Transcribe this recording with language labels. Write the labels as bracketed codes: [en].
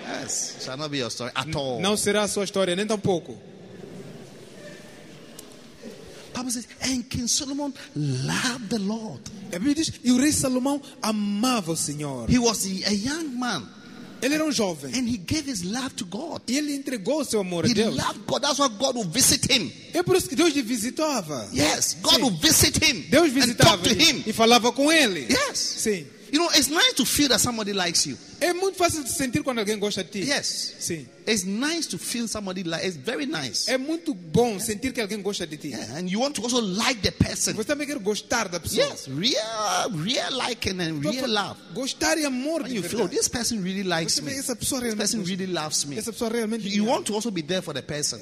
[en] Yes, shall not be your story at all. [pt] Não será a sua história nem tampouco. [en] Bible says, and King Solomon loved the Lord. [pt] A Bíblia diz, e o rei Salomão amava o Senhor. [en] He was a young man. [pt] Ele era um jovem. [en] And he gave his love to God. [pt] E ele entregou seu amor [en] he [pt] a Deus. [en] He loved God. That's why God would visit him. [pt] É por isso que Deus lhe visitava. [en] Yes, God would visit him. [pt] Deus visitava [en] and talk to him. [pt] E falava com ele. [en] Yes. [pt] Sim. [en] You know, it's nice to feel that somebody likes you. [pt] É muito fácil de sentir quando alguém gosta de ti. [en] Yes. [pt] Sim. [en] It's nice to feel somebody like. It's very nice. [pt] É muito bom sentir que alguém gosta de ti. [en] Yeah, and you want to also like the person. [pt] Você também quer gostar da pessoa. [en] Yes. Real liking and real love. [pt] Gostar e amor. [en] And you feel this person really likes me. [pt] Essa pessoa realmente. [en] This person really loves me. [pt] Essa pessoa realmente. [en] You want to also be there for the person.